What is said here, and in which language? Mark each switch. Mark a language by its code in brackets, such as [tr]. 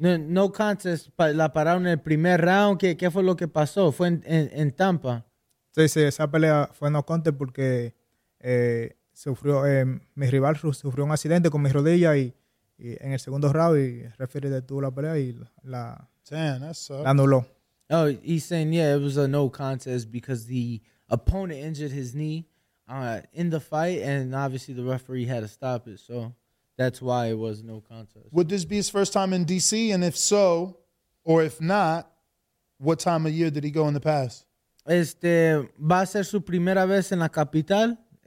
[es] No contest. La pararon en el primer round. ¿Qué fue lo que pasó? Fue en Tampa. Sí, sí, esa pelea fue no contest porque mi rival sufrió un accidente con mi rodilla y en el segundo round y referee detuvo la pelea y la, [en] damn, that sucks. [es] La anuló. [en] Oh, he's saying, yeah, it was a no contest because the opponent injured his knee in the fight and obviously the referee had to stop it, so that's why it was no contest. Would this be his first time in D.C.? And if so, or if not, what time of year did he go in the past? [es] ¿Va a ser su primera vez en la capital?